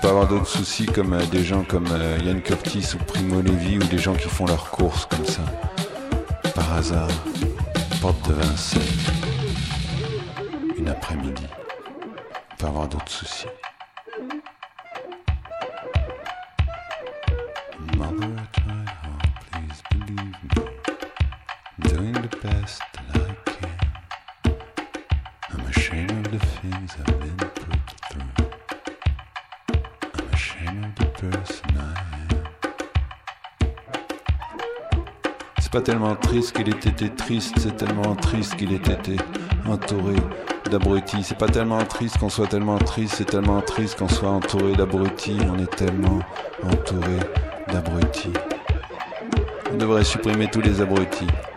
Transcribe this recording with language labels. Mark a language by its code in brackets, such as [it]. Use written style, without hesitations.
[fr] peux avoir d'autres soucis comme des gens comme Ian Curtis ou Primo Levi ou des gens qui font leurs courses comme ça. Par hasard, porte de Vincennes. Une après-midi. On peut avoir d'autres soucis. [en] Mother, I tried hard, please believe me. Doing the best that I can. I'm ashamed of the things I've been put through. I'm ashamed of the person I am. [fr] C'est pas tellement triste qu'il ait été triste, c'est tellement triste qu'il ait été entouré d'abrutis. C'est pas tellement triste qu'on soit tellement triste, c'est tellement triste qu'on soit entouré d'abrutis. On est tellement entouré d'abrutis. On devrait supprimer tous les abrutis.